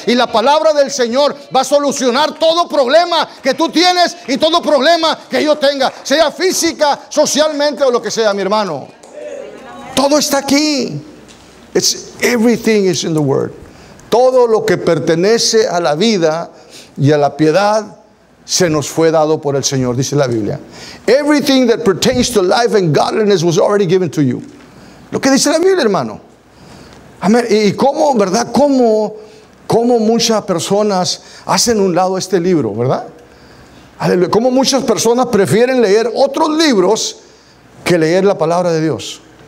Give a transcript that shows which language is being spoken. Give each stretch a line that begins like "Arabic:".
Spanish: Y la palabra del Señor va a solucionar todo problema que tú tienes y todo problema que yo tenga, sea física, socialmente o lo que sea, mi hermano. Todo está aquí.
English: It's everything is in the word.
Spanish: Todo lo que pertenece a la vida y a la piedad se nos fue dado por el Señor, dice la Biblia.
English: Everything that pertains to life and godliness was already given to you.
Spanish: Lo que dice la Biblia, hermano. Amén. Y cómo, ¿verdad? Cómo muchas personas hacen un lado este libro, ¿verdad? Aleluya. Cómo muchas personas prefieren leer otros libros que leer la palabra de Dios.